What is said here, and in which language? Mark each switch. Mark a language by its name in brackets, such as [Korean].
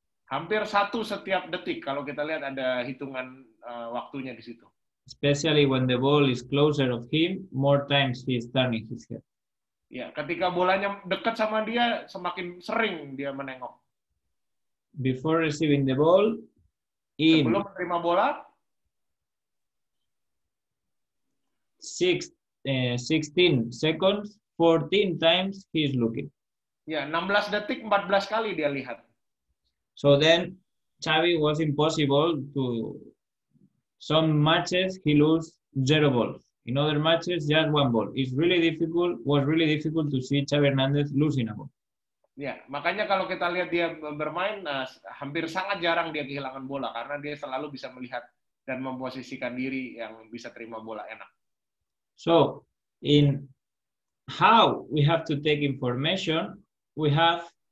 [Indonesian] Hampir satu setiap detik kalau kita lihat ada hitungan waktunya di situ. [English] Especially when the ball is closer of him, more times he is turning his head. [Indonesian] Ya, ketika bolanya dekat sama dia, semakin sering dia menengok. [English] Before receiving the ball, in. [Indonesian] Sebelum menerima bola. [English] Six, 16 seconds, 14 times he is looking. [Indonesian] Ya, 16 detik, 14 kali dia lihat. [English] So then, Xavi was impossible to. Some matches he lose zero balls. In other matches, just one ball. It's really difficult. Was really difficult to see Xavi Hernandez losing a ball. [Indonesian] Yeah, makanya kalau kita lihat dia bermain, hampir sangat jarang dia kehilangan bola karena dia selalu bisa melihat dan memposisikan diri yang bisa terima bola enak. [English] So, in how we have to take information, we have.